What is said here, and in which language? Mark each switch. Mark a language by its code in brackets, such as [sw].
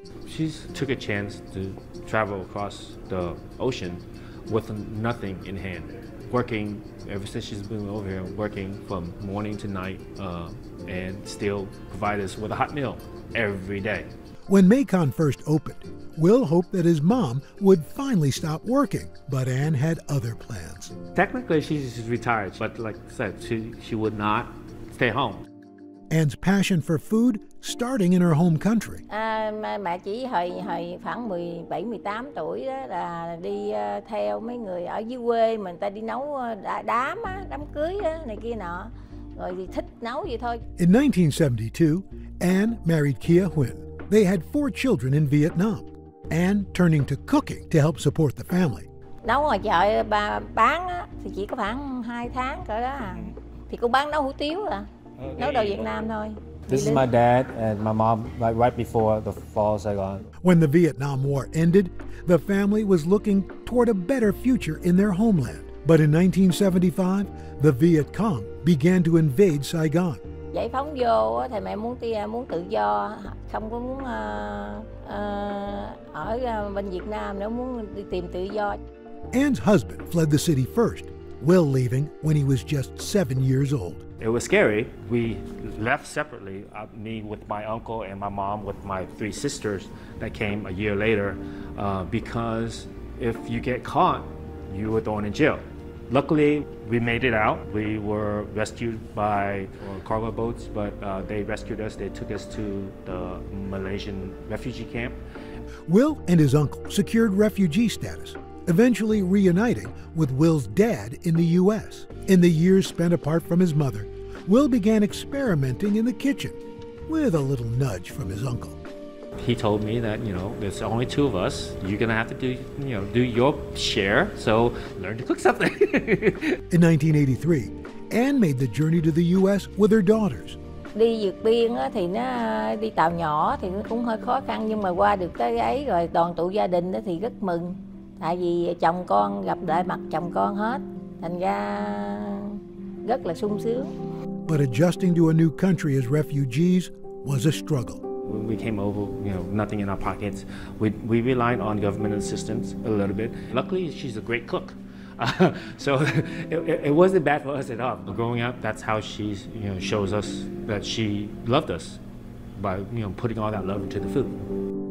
[en] She took a chance to travel across the ocean with nothing in hand, working ever since she's been over here, working from morning to night, and still provide us with a hot meal every day. When Mekon first opened, Will hoped that his mom would finally stop working, but Anh had other plans. Technically, she's retired, but like I said, she would not stay home. Anh's passion for food starting in her home country. [vi] Mẹ chỉ hồi khoảng 17, 18 tuổi đó là đi theo mấy người ở dưới quê mà người ta đi nấu đám á, đám cưới á, này kia nọ. Rồi thì thích nấu vậy thôi. [en] In 1972, Anh married Kia Huynh. They had 4 children in Vietnam. Anh turning to cooking to help support the family. [vi] Nấu ngoài chợ bà bán á, thì chỉ có khoảng 2 tháng cỡ đó à. Thì cũng bán nấu hủ tiếu à. Nấu đồ Việt Nam thôi. [en] This is my dad and my mom right before the fall of Saigon. When the Vietnam War ended, the family was looking toward a better future in their homeland. But in 1975, the Viet Cong began to invade Saigon. [vi] Giải phóng vô thì mẹ muốn tự do, không có muốn ở bên Việt Nam nữa, muốn đi tìm tự do. [en] Anh's husband fled the city first, Will leaving when he was just 7 years old. It was scary. We left separately, me with my uncle and my mom with my 3 sisters that came a year later, because if you get caught, you were thrown in jail. Luckily, we made it out. We were rescued by cargo boats, but they rescued us. They took us to the Malaysian refugee camp. Will and his uncle secured refugee status, eventually reuniting with Will's dad in the U.S. In the years spent apart from his mother, Will began experimenting in the kitchen with a little nudge from his uncle. He told me that, you know, there's only 2 of us. You're going to have to do, you know, do your share. So learn to cook something. In 1983, Anh made the journey to the U.S. with her daughters. [vi] Đi vượt biên á, thì nó đi tàu nhỏ thì nó cũng hơi khó khăn, nhưng mà qua được cái ấy rồi đoàn tụ gia đình đó thì rất mừng. Tại vì chồng con gặp lại mặt chồng con hết, thành ra rất là sung sướng. [en] But adjusting to a new country as refugees was a struggle. When we came over, you know, nothing in our pockets. We relied on government assistance a little bit. Luckily, she's a great cook. So it wasn't bad for us at all. But growing up, that's how she, you know, shows us that she loved us, by, you know, putting all that love into the food.